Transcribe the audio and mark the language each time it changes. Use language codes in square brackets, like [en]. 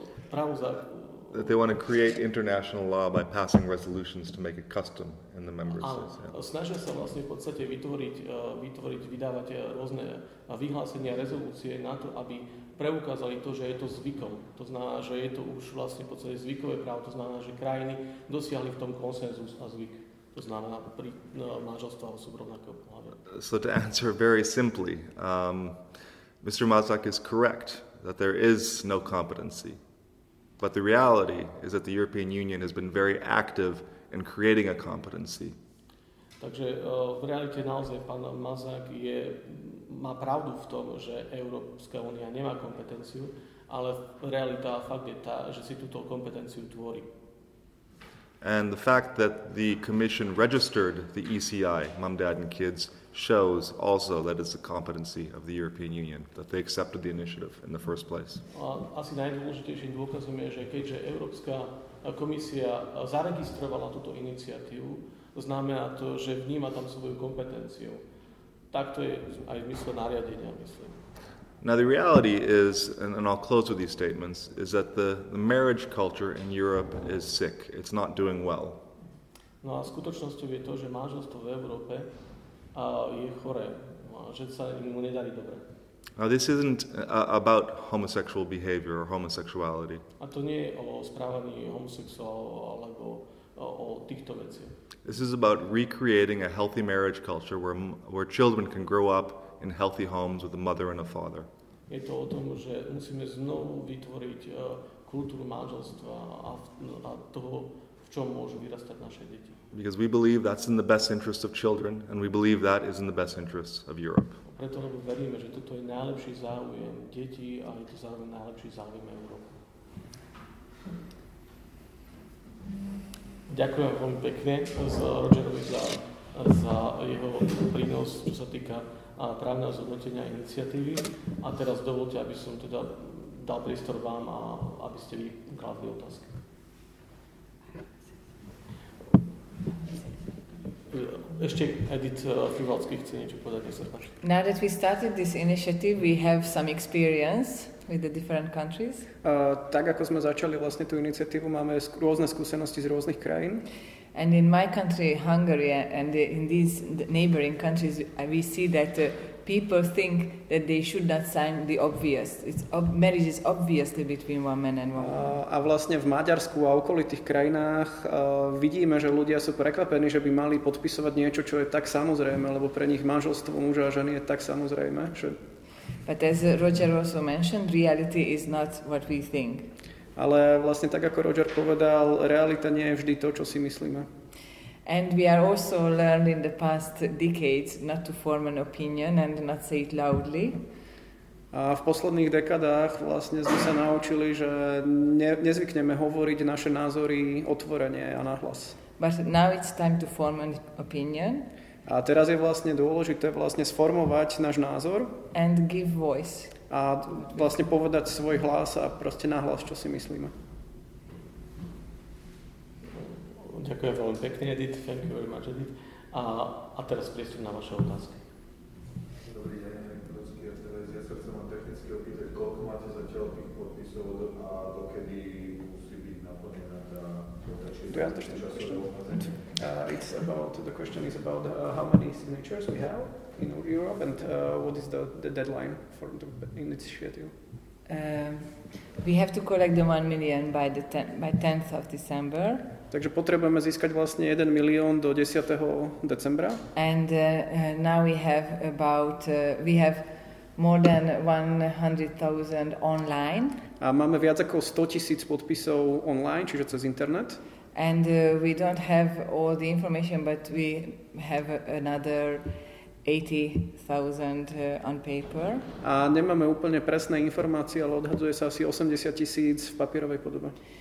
[en] That they want to create international law by passing resolutions to make it custom in the member states. [sk] Snažia sa vlastne v podstate vytvoriť, vydávať rôzne vyhlásenia, rezolúcie na to, aby preukázali to, že je to zvykom. To znamená, že je to už vlastne v podstate zvykové právo. To znamená, že krajiny dosiahli v tom konsenzus a zvyk. To znamená pri manželstve osôb rovnakého pohlavia. [en] So to answer very simply, Mr. Mazák is correct that there is no competency. But the reality is that the European Union has been very active in creating a competency. [sk] Takže v realite naozaj pán Mazák má pravdu v tom, že Európska únia nemá kompetenciu, ale realita a fakt je tá, že si túto kompetenciu tvorí. [en] And the fact that the Commission registered the ECI, Mom, Dad and Kids, shows also that it's a competency of the European Union, that they accepted the initiative in the first place. [sk] Asi najdôležitejším dôkazom je, že keďže Európska komisia zaregistrovala túto iniciatívu, znamená to, že vníma tam svoju kompetenciu. Takto je aj zmysel nariadenia, myslím. [en] Now the reality is, and I'll close with these statements, is that the marriage culture in Europe is sick. It's not doing well. [sk] No a skutočnosťou je to, že manželstvo v Európe je choré, že sa mu nedarí dobre. [en] Now this isn't about homosexual behavior or homosexuality. [sk] A to nie je o správaní homosexuálov alebo o týchto veciach. [en] This is about recreating a healthy marriage culture where children can grow up in healthy homes with a mother and a father. [sk] Je to o tom, že musíme znovu vytvoriť kultúru manželstva a toho, v čom môžu vyrastať naše deti. [en] Because we believe that's in the best interest of children, and we believe that is in the best interest of Europe. [sk] Preto lebo veríme, že toto je najlepší záujem detí a je to zároveň najlepší záujem Európy. Ďakujem veľmi pekne s Rogerovi za jeho prínos, čo sa týka právneho zhodnotenia iniciatívy. A teraz dovolte, aby som teda dal priestor vám a aby ste vy kladli otázky. [en] Now that we started this initiative, we have some experience with the different countries. [sk] Tak ako sme začali vlastne tú iniciatívu, máme rôzne skúsenosti z rôznych krajín. [en] And in my country, Hungary, and in these neighboring countries, we see that people think that they should not sign the obvious. Marriage is obviously between one man and one woman. [sk] A vlastne v Maďarsku a okolitých krajinách vidíme, že ľudia sú prekvapení, že by mali podpisovať niečo, čo je tak samozrejme, lebo pre nich manželstvo muža a ženy je tak samozrejme. Že... [en] But as Roger also mentioned, reality is not what we think. [sk] Ale vlastne tak, ako Roger povedal, realita nie je vždy to, čo si myslíme. [en] And we are also learned in the past decades not to form an opinion and not say it loudly. [sk] A v posledných dekadách vlastne sme sa naučili, že nezvykneme hovoriť naše názory otvorene a nahlas. [en] But now it's time to form an opinion. [sk] A teraz je vlastne dôležité vlastne sformovať náš názor. [en] And give voice. [sk] A vlastne povedať svoj hlas a proste nahlas, čo si myslíme. Ďakujem veľmi pekne, Edith. [en] Thank you very much, Edith. [sk] A teraz priestor na vaše otázky. Dobrý deň, Prudský a Terez. Ja sa chcem len technicky opýtať, koľko máte zatiaľ tých podpisov a dokedy musí byť naplnená tá [en] podačí it's about, the question is about how many signatures we have in Europe and what is the deadline for the initiative? We have to collect the 1 million by the 10th of December. [sk] Takže potrebujeme získať vlastne 1 milión do 10. decembra. [en] And now we have about we have more than 100,000 online. [sk] A máme viac ako 100,000 podpisov online, čiže cez internet. [en] And we don't have all the information, but we have another 80,000 on paper. [sk] A nemáme úplne presné informácie, ale odhaduje sa asi 80,000 v papierovej podobe.